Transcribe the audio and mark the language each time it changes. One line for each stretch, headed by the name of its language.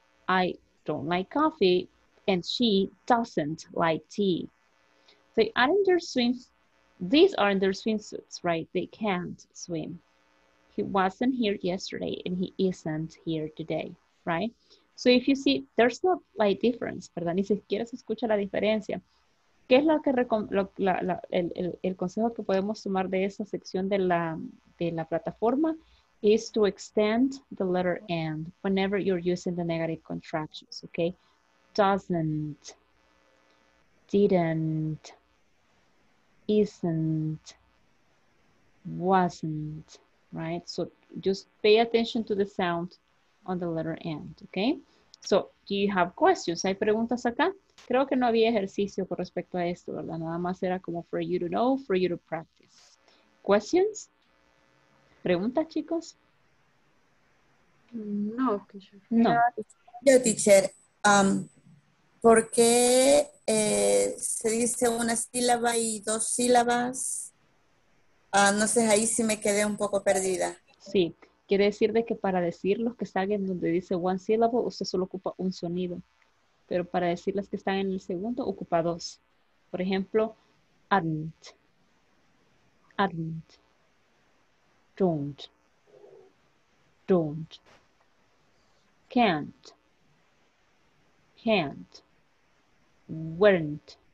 English: I don't like coffee and she doesn't like tea. They aren't their swims. These aren't their swimsuits, right? They can't swim. He wasn't here yesterday and he isn't here today, right? So if you see, there's no like difference, ¿verdad?
Spanish: Ni siquiera se escucha la diferencia. ¿Qué es lo que el consejo que podemos tomar de esa sección de la plataforma?
English: Is to extend the letter end whenever you're using the negative contractions, okay? Doesn't, didn't, isn't, wasn't, right? So just pay attention to the sound on the letter end, okay? So do you have questions?
Spanish: ¿Hay preguntas acá? Creo que no había ejercicio con respecto a esto, ¿verdad? Nada más era como
English: for you to know, for you to practice. ¿Questions?
Spanish: ¿Preguntas, chicos? No. No. Yo, teacher, ¿por qué se dice una sílaba y dos sílabas? No sé, ahí sí me quedé un poco perdida. Sí, quiere decir de que para decir los que están en donde dice one syllable, usted solo ocupa un sonido. Pero para decir las que están en el segundo, ocupa dos. Por ejemplo, aren't, aren't, don't, don't, can't, weren't.